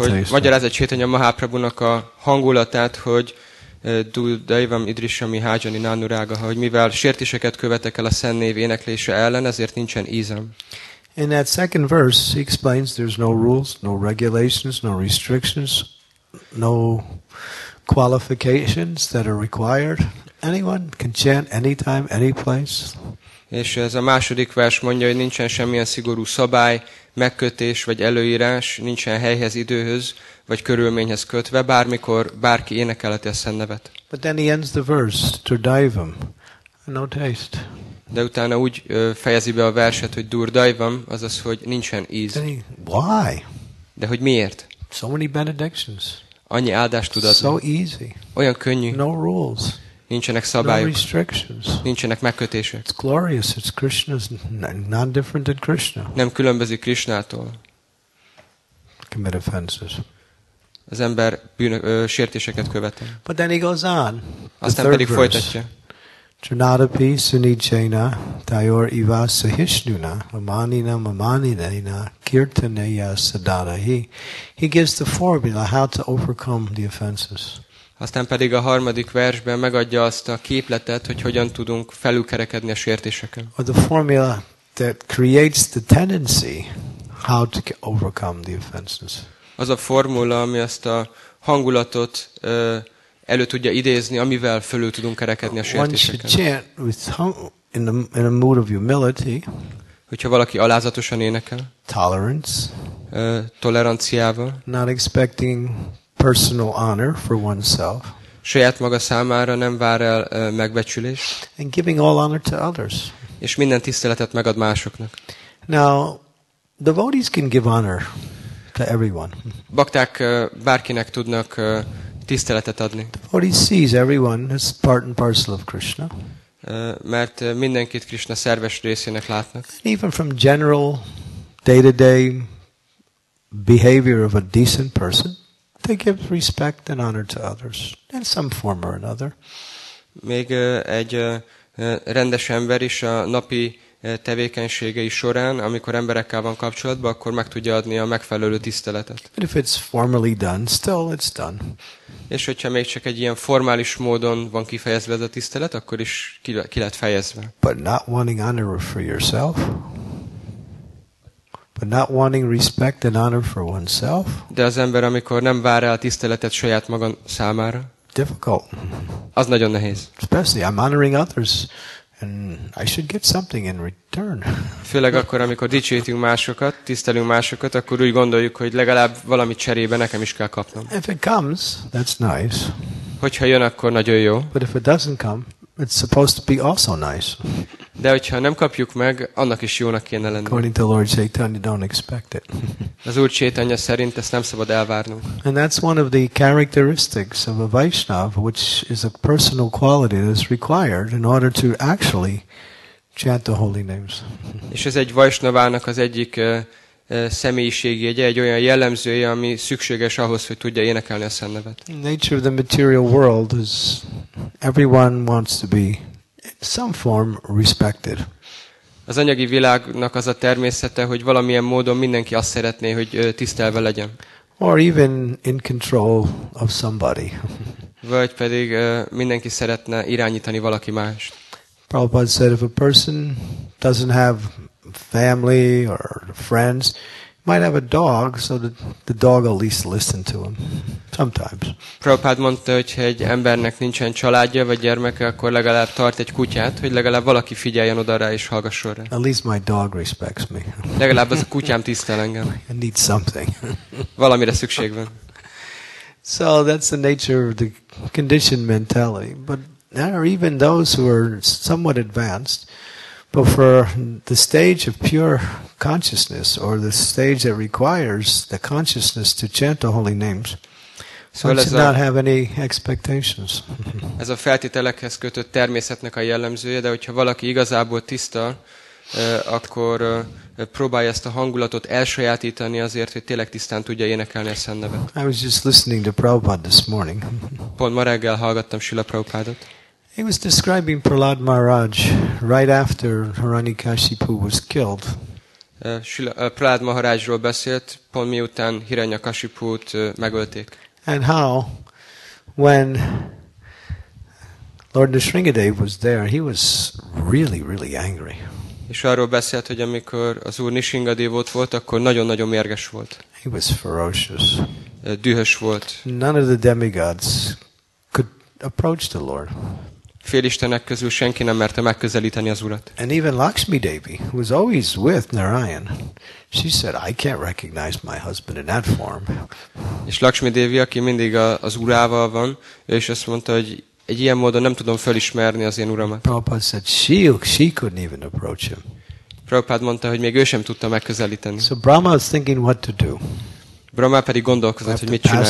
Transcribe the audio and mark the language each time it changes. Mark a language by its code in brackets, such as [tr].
[hu] Magyarázza Chaitanya Mahaprabhunak a hangulatát, hogy [sa] Dudaivam Idrisami Hajani Nanuraga, [hu] hogy mivel sértéseket követek el a szent név éneklése ellen, ezért nincsen ízem. [en] In that second verse, he explains there's no rules, no regulations, no restrictions, no qualifications that are required. Anyone can chant anytime, any place. [hu] És ez a második vers mondja, hogy nincsen semmilyen szigorú szabály, megkötés vagy előírás, nincsen helyhez, időhöz vagy körülményhez kötve, bármikor bárki énekelheti a szent nevet. [en] But then he ends the verse, durdaivam, no taste. [hu] De utána úgy fejezi be a verset, hogy durdaivam, azaz, hogy nincsen íz. [en] He, why? [hu] De hogy miért? [en] So many benedictions. [hu] Annyi áldást tud adni. [en] So easy. [hu] Olyan könnyű. [en] No rules. [hu] Nincsenek szabályok. [en] No restrictions. [hu] Nincsenek megkötések. [en] It's glorious. It's Krishna's, not different than Krishna. [hu] Nem különbözik Krishnától. [en] Commit offenses. [hu] Az ember sértéseket követ. [en] But then he goes on. [hu] Aztán pedig folytatja. [sa] Trinadapi sunijena tayor iva sahishnuna amanina mamanina kirtaneya sadarahi. [en] He gives the formula how to overcome the offenses. [hu] Aztán pedig a harmadik versben megadja azt a képletet, hogy hogyan tudunk felülkerekedni a sértéseken. [en] Or the formula that creates the tendency how to overcome the offenses. [hu] Az a formula, ami ezt a hangulatot elő tudja idézni, amivel fölül tudunk kerekedni a sértéseken. Hogyha valaki alázatosan énekel. [en] Tolerance. [hu] Toleranciával. [en] Not expecting personal honor for oneself. [hu] Saját maga számára nem vár el megbecsülést. [en] And giving all honor to others. [hu] És minden tiszteletet megad másoknak. [en] Now, devotees can give honor to everyone. [hu] Bakták bárkinek tudnak tiszteletet adni. [en] Devotees sees everyone as part and parcel of Krishna. [hu] Mert mindenkit Krishna szerves részének látnak. [en] And even from general day-to-day behavior of a decent person, they give respect and honor to others in some form or another. [hu] Még egy rendes ember is a napi tevékenységei során, amikor emberekkel van kapcsolatban, akkor meg tudja adni a megfelelő tiszteletet. [en] But if it's formally done, still it's done. [hu] És hogyha még csak egy ilyen formális módon van kifejezve ez a tisztelet, akkor is ki lett fejezve. [en] But not wanting honor for yourself. But not wanting respect and honor for oneself. [hu] De az ember, amikor nem vár el tiszteletet saját maga számára. [en] Difficult. [hu] Az nagyon nehéz. [en] Especially, I'm honoring others. And I should get something in return. [hu] Főleg akkor, amikor dicsőítünk másokat, tisztelünk másokat, akkor úgy gondoljuk, hogy legalább valami cserébe nekem is kell kapnom. [en] If it comes, that's nice. [hu] Hogyha jön, akkor nagyon jó. [en] But if it doesn't come, it's supposed to be also nice. [hu] De hogyha nem kapjuk meg, annak is jónak kéne lenni. [en] According to Lord Chaitanya, don't expect it. [hu] Az Úr Chaitanya szerint ezt nem szabad elvárnunk. [en] And that's one of the characteristics of a Vaishnava, which is a personal quality that is required in order to actually chant the holy names. [hu] És ez egy Vaishnavának az egyik személyiségi, egy olyan jellemzője, ami szükséges ahhoz, hogy tudja énekelni a szent nevet. [en] The nature of the material world is everyone wants to be in some form respected. [hu] Az anyagi világnak az a természete, hogy valamilyen módon mindenki azt szeretné, hogy tisztelve legyen. [en] Or even in control of somebody. [hu] Vagy pedig mindenki szeretne irányítani valaki más. [en] Prabhupada said, if a person doesn't have family or friends, might have a dog, so the dog at least listen to him sometimes. [hu] Prabhupada mondta, hogyha egy embernek nincsen családja vagy gyermeke, akkor legalább tart egy kutyát, hogy legalább valaki figyeljen oda rá és hallgasson rá. [en] At least my dog respects me. [hu] Legalább az a kutyám tisztel engem. [en] I need something. [hu] Valamire szükség van. [en] So that's the nature of the conditioned mentality. But there are even those who are somewhat advanced. But for the stage of pure consciousness, or the stage that requires the consciousness to chant the holy names, [hu] Szóval ez [en] not have any expectations. [hu] Ez a feltételekhez kötött természetnek a jellemzője, de hogyha valaki igazából tiszta, akkor próbálja ezt a hangulatot elsajátítani azért, hogy tényleg tisztán tudja énekelni a Szent Nevet. [en] I was just listening to Prabhupada this morning. [hu] Pont ma reggel hallgattam Srila Prabhupádot. [en] He was describing Prahlad Maharaj right after Hiranyakashipu was killed. [hu] Prahlad Maharajról beszélt, pont miután Hiranyakashipu-t megölték. [en] And how, when Lord Nrisimhadeva was there, he was really, really angry. [hu] És arról beszélt, hogy amikor az Úr Nrisimhadeva ott volt, akkor nagyon-nagyon mérges volt. [en] He was ferocious. [hu] Dühös volt. [en] None of the demigods could approach the Lord. [hu] Félistenek közül senki nem merte megközelíteni az Urat. [en] And even Lakshmi Devi, who was always with Narayan, she said, I can't recognize my husband in that form. [hu] És Lakshmi Devi, aki mindig az Urával van, és azt mondta, hogy egy ilyen módon nem tudom felismerni az én Uramat. [en] Prabhupada said, she couldn't even approach him. [hu] Prabhupada mondta, hogy még ő sem tudta megközelíteni. [en] So Brahma was thinking what to do. [hu] Brahma pedig gondolkozott, hogy mit csináljon.